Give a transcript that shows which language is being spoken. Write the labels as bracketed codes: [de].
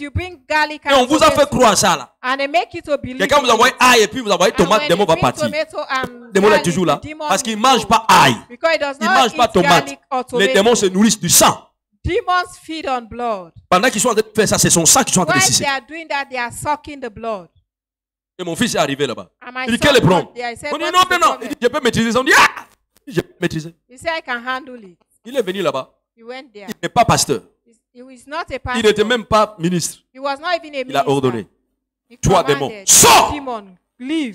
[en] You bring garlic and [fr] et on vous a fait croire ça là. [en] And they make you to believe. [fr] Quelqu'un vous envoie ail et puis vous envoyez tomate, démon va partir. Démon est toujours là. Parce qu'il ne mange pas ail. [en] Because it does not [fr] il ne mange pas tomate. Les démons se nourrissent du sang. [en] Demons feed on blood. [fr] Pendant qu'ils sont en train de faire ça, c'est son sang qu'ils sont en train de sucer. [en] They are doing that, they are sucking the blood. [fr] Et mon fils est arrivé là-bas. Il dit, quel est le problème? On dit, non, non, il dit, je peux maîtriser. On dit, ah! Je peux maîtriser. [en] He said, I can handle it. [fr] Il est venu là-bas. [en] He went there. [fr] Il n'est pas pasteur. [en] He was not a pastor. [fr] Il n'était même pas ministre. [en] He was not even a minister. [fr] Il a ordonné. [en] He [fr] toi, démon, sors! [en] Demon, leave.